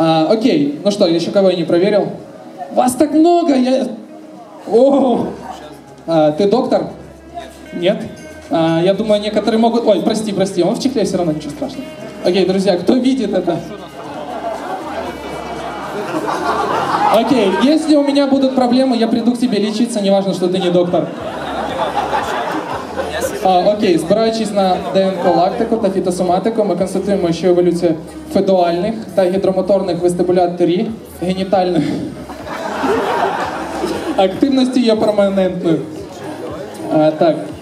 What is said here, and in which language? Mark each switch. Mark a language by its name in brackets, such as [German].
[Ukrainian] Окей, ну що, я ще кого не перевірив? [Russian] Вас так много, я... О! [Ukrainian] Ти доктор? Ні. [Russian] Я думаю, некоторі можуть... Ой, прости, он в чехле, все равно, [Ukrainian] нічого страшного. Окей, друзі, хто бачить це? [Russian] Окей, если у меня будут проблемы, я приду к тебе лечиться, неважно, что ты не доктор. [Ukrainian] Окей, спираючись на ДНК-лактику та фітосоматику, ми констатуємо, що еволюція фетуальних та гідромоторних вестибуляторів генітальних активності є перманентною. Так.